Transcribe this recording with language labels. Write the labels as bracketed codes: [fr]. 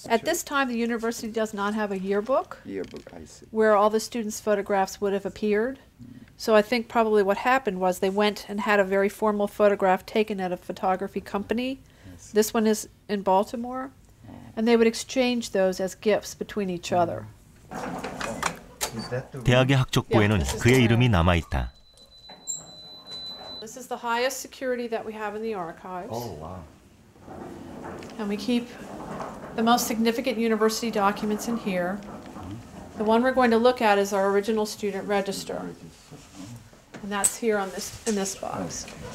[en] At this time, the university does not have a yearbook, where all the students' photographs would have appeared. So I think probably what happened was they went and had a very formal photograph taken at a photography company. This one is in Baltimore, and they would exchange those as gifts between each other. [ko] 대학의 학적부에는 그의 이름이 남아 있다. [en] This is the highest security that we have in the archives. Oh wow! And we keep the most significant university documents in here. The one we're going to look at is our original student register, and that's here on this in this box.